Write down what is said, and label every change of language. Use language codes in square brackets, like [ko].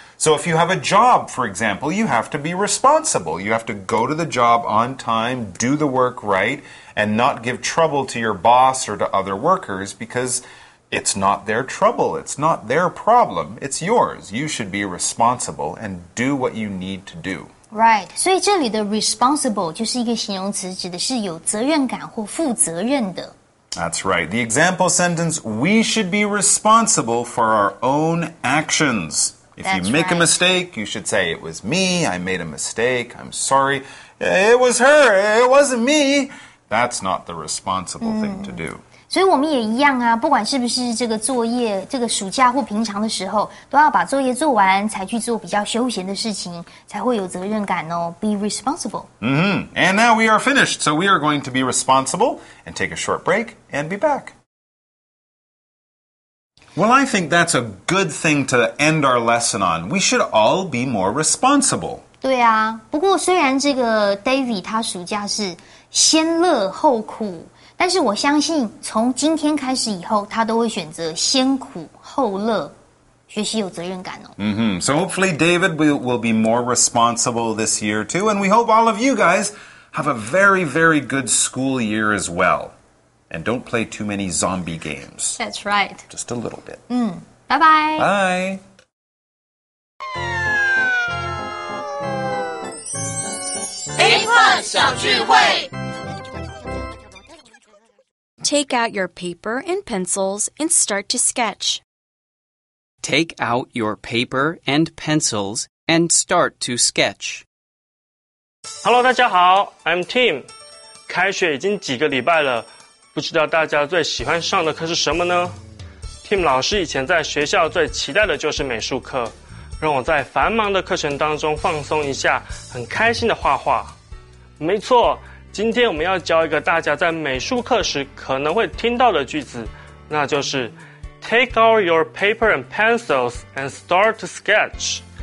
[en] So if you have a job, for example, you have to be responsible. You have to go to the job on time, do the work right, and not give trouble to your boss or to other workers because it's not their trouble, it's not their problem, it's yours. You should be responsible and do what you need to do. [zh] Right, 所以这里的 responsible 就是一个形容词指的是有责任感或负责任的。 [en] That's right. The example sentence, we should be responsible for our own actions. If you make a mistake, you should say, it was me, I made a mistake, I'm sorry. It was her, it wasn't me. That's not the responsible thing to do. [zh] 所以我们也一样啊，不管是不是这个作业，这个暑假或平常的时候，都要把作业做完，才去做比较休闲的事情，才会有责任感哦。 [en] Be responsible. And now we are finished, so we are going to be responsible and take a short break and be back. Well, I think that's a good thing to end our lesson on. We should all be more responsible. [zh] 对啊，不过虽然这个 David 他暑假是先乐后苦。但是我相信从今天开始以后他都会选择先苦后乐学习有责任感哦。 [en] So hopefully David will be more responsible this year too, and we hope all of you guys have a very, very good school year as well. And don't play too many zombie games. That's right. Just a little bit. Bye-bye. Bye. [zh] A-Plus 小聚会 [en] Take out your paper and pencils and start to sketch. Take out your paper and pencils and start to sketch. Hello, [zh] 大家好 [en] I'm Tim. [zh] 开学已经几个礼拜了，不知道大家最喜欢上的课是什么呢 ？Tim 老师以前在学校最期待的就是美术课，让我在繁忙的课程当中放松一下，很开心的画画。没错。今天我们要教一个大家在美术课时可能会听到的句子，那就是 [en] Take out your paper and pencils and start to sketch.